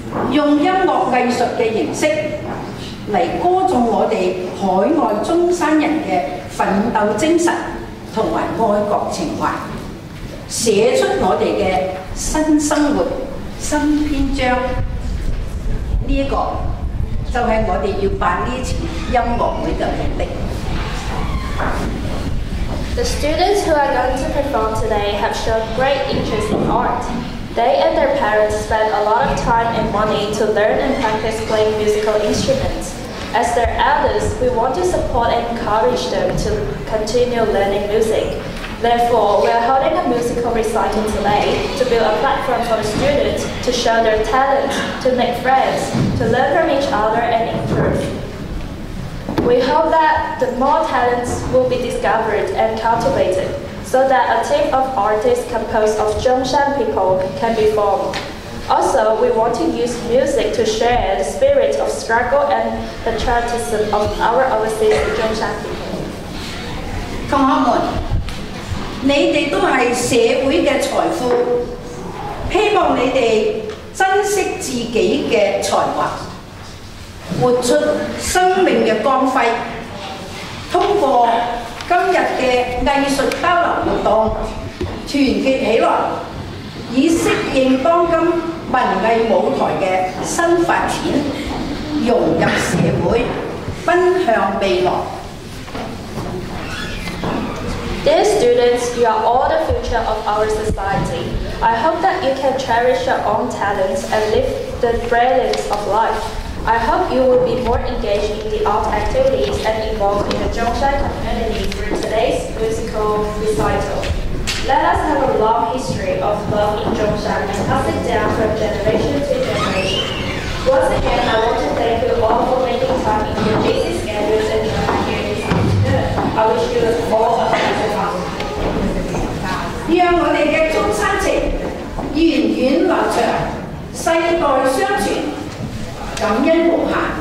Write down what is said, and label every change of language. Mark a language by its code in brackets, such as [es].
[zh] 用音乐艺术的形式来歌颂我们海外中山人的奋斗精神和爱国情怀，写出我们的新生活、新篇章。这个就是我们要办这次音乐会的目的。 [en] The students who are going to perform today have shown great interest in art. They and their parents spent a lot of time and money to learn and practice playing musical instruments. As their elders, we want to support and encourage them to continue learning music. Therefore, we are holding a musical recital today to build a platform for the students to show their talents, to make friends, to learn from each other and improve. We hope that the more talents will be discovered and cultivated so that a team of artists composed of Zhongshan people can be formed. Also, we want to use music to share the spirit of struggle and patriotism of our overseas Zhongshan people. Come on, boy. [zh] 你们都是社会的财富，希望你们珍惜自己的才华，活出生命的光辉，通过今日的藝術交流活動團結起來，以適應當今文藝舞台的新發展，融入社會，奔向未來。 [en] Dear students, you are all the future of our society. I hope that you can cherish your own talents and live the brilliance of life. I hope you will be more engaged in the art activities and involved in the ZhongZhong community through today's musical recital. Let us have a long history of love in ZhongZhong and pass it down from generation to generation. Once again, I want to thank you all for making time in your busy schedules and joining here this afternoon. I wish you all a [zh] 让我们的中山情源远流长，世代相传，感恩无限。